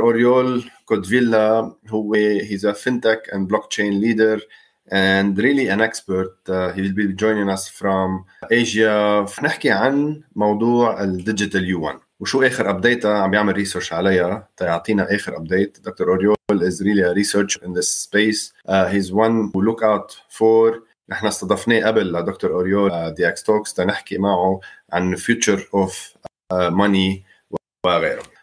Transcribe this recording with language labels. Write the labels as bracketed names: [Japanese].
[English] Oriol Caudevilla, he's a fintech and blockchain leader and really an expert. He will be joining us from Asia. [Arabic] نحكي عن موضوع الديجيتال يوان وشو آخر update عم بيعمل research عليها. تعطينا آخر update. Dr. [English] Oriol is really a researcher in this space. He's one who look out for. [Arabic] احنا استضفناه قبل لدكتور اوريول دي اكس توكس تنحكي معه عن [English] future of money [Arabic] وغيره.